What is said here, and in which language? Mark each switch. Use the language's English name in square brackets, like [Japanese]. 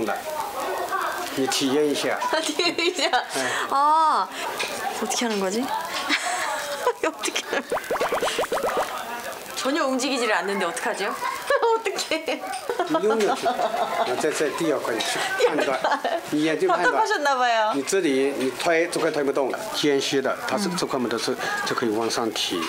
[Chinese] 这是诸葛亮传下来的古老益智玩具。这是中等难度的，这是我们这个小学生至三年级学生用的，你体验一下。体验一下。啊， [Korean] 어떻게 하는 거지? 어떻게 전혀 움직이질 않는데 어떡하죠? 어떻게? [Chinese] 你用下去，那在第二块去判断，你眼睛判断， [Korean] 답답하셨나봐요。 [Chinese] 你这里你推这块推不动了，间隙的，它是这块木头是就可以往上提。